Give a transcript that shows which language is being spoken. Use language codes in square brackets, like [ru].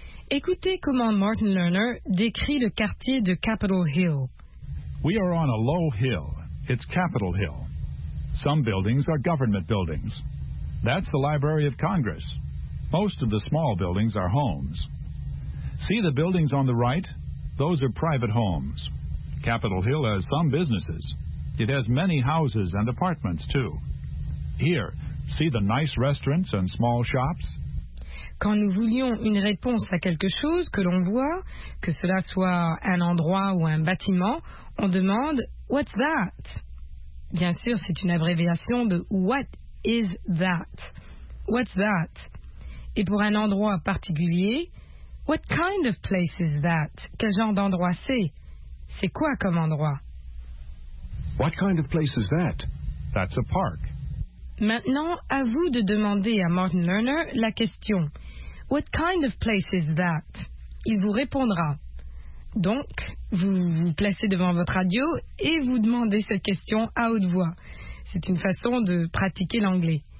[fr] Écoutez comment Martin Lerner décrit le quartier de Capitol Hill. [en] We are on a low hill. It's Capitol Hill. Some buildings are government buildings. That's the Library of Congress. Most of the small buildings are homes. See the buildings on the right? Those are private homes. Capitol Hill has some businesses. It has many houses and apartments, too. Here, See the nice restaurants and small shops? [fr] Quand nous voulions une réponse à quelque chose que l'on voit, que cela soit un endroit ou un bâtiment, on demande « [en] What's that ?» [fr] Bien sûr, c'est une abréviation de « [en] What is that ?»« What's that ?» [fr] Et pour un endroit particulier, « [en] What kind of place is that ?» [fr] Quel genre d'endroit c'est ? C'est quoi comme endroit ? [en] « What kind of place is that ?» That's a park. [fr] Maintenant, à vous de demander à Martin Lerner la question. [en] What kind of place is that? [fr] Il vous répondra. Donc, vous vous placez devant votre radio et vous demandez cette question à haute voix. C'est une façon de pratiquer l'anglais.